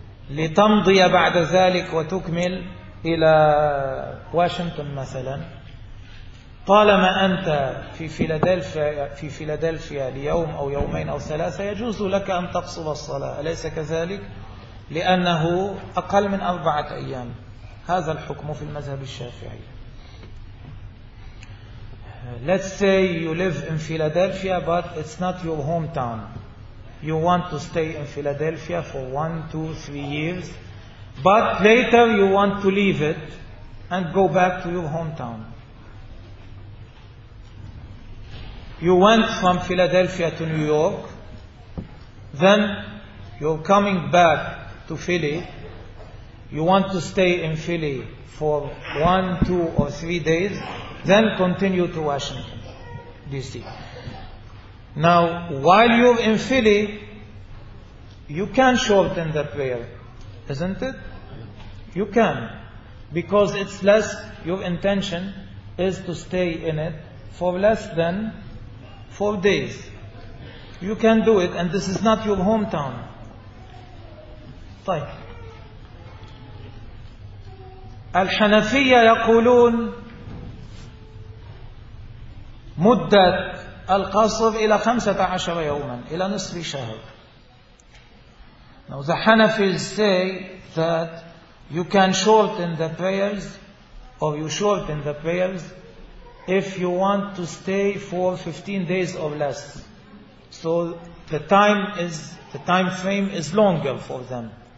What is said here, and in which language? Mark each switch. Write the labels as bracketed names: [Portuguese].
[Arabic] لتمضي بعد ذلك وتكمل إلى واشنطن مثلا, طالما أنت في فيلادلفيا ليوم أو يومين أو ثلاثة يجوز لك أن تقصر الصلاة, أليس كذلك؟ لأنه أقل من أربعة أيام. هذا الحكم في المذهب الشافعي. [English] Let's say you live in Philadelphia but it's not your hometown. You want to stay in Philadelphia for 1, 2, 3 years but later you want to leave it and go back to your hometown. You went from Philadelphia to New York, then you're coming back to Philly. You want to stay in Philly for 1, 2, or 3 days, then continue to Washington, D.C. Now, while you're in Philly, you can shorten the prayer, isn't it? You can, because it's less, your intention is to stay in it for less than 4 days. You can do it, and this is not your hometown. [Arabic] طيب. الحنفية يقولون مدة القصر إلى 15 يوما, إلى نصف شهر. [English] Now the Hanafis say that you can shorten the prayers or you shorten the prayers if you want to stay for 15 days or less. So the time frame is longer for them.